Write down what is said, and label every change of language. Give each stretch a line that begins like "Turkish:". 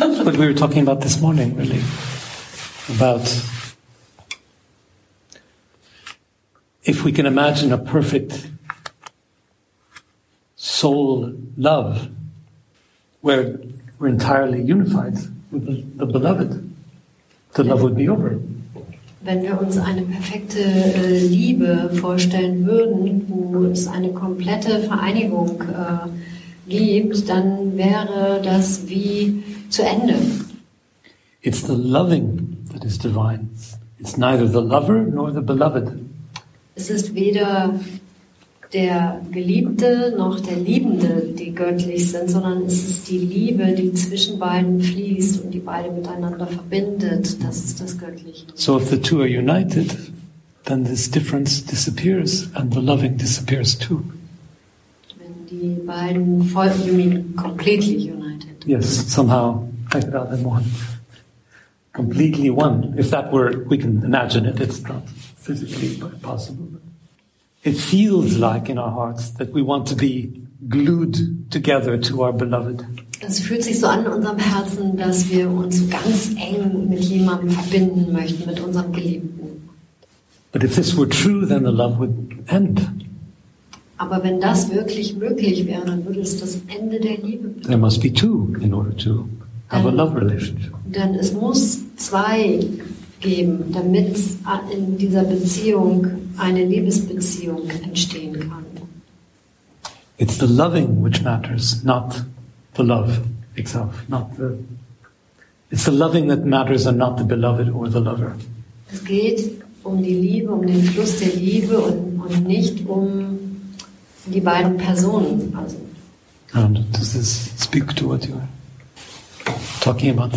English: No, but we were talking about this morning, really. About if we can imagine a perfect soul love where we're entirely unified with the beloved. The love would be over.
German: Wenn wir uns eine perfekte Liebe vorstellen würden, wo es eine komplette Vereinigung gibt, dann wäre das wie zu Ende.
English: It's the loving that is divine. It's neither the lover nor the beloved.
German: Es ist weder der Geliebte noch der Liebende, die göttlich sind, sondern es ist die Liebe, die zwischen beiden fließt und die beide miteinander verbindet. Das ist das Göttliche.
English: So if the two are united, then this difference disappears and the loving disappears too.
German: Wenn die beiden voll,
English: you mean completely united. Yes, somehow I felt them one. Completely one. If that were, we can imagine it, it's not physically possible. It feels like in our hearts that we want to be glued together to our beloved.
German: Es fühlt sich so an in unserem Herzen, dass wir uns ganz eng mit jemandem verbinden möchten, mit unserem Geliebten.
English: But if this were true, then the love would end.
German: Aber wenn das wirklich möglich wäre, dann würde es das Ende der Liebe bedeuten.
English: There must be two in order to have a love relationship.
German: Denn es muss zwei geben, damit in dieser Beziehung eine Liebesbeziehung entstehen kann.
English: It's the loving which matters, not the love itself, not the. It's the loving that matters, and not the beloved or the lover.
German: Es geht um die Liebe, um den Fluss der Liebe und nicht um die beiden Personen.
English: And does this speak to what you are talking about?